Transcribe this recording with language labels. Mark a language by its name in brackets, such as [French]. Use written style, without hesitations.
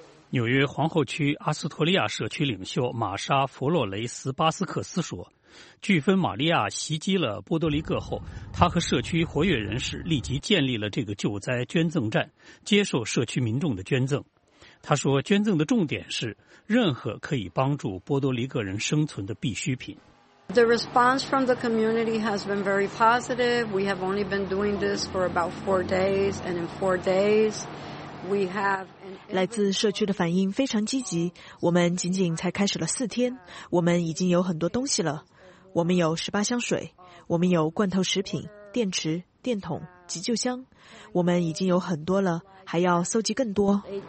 [Chinese] 纽约皇后区阿斯托利亚社区领袖玛莎·弗洛雷斯·巴斯克斯说，飓风玛利亚袭击了波多黎各后，他和社区活跃人士立即建立了这个救灾捐赠站，接受社区民众的捐赠。他说，捐赠的重点是任何可以帮助波多黎各人生存的必需品。 [English] The response from the community has been very positive. We have only been doing this for about 4 days, and in 4 days, we have. [Chinese] 来自社区的反应非常积极。我们仅仅才开始了4天，我们已经有很多东西了。我们有18箱水，我们有罐头食品、电池、电筒、急救箱，我们已经有很多了，还要搜集更多。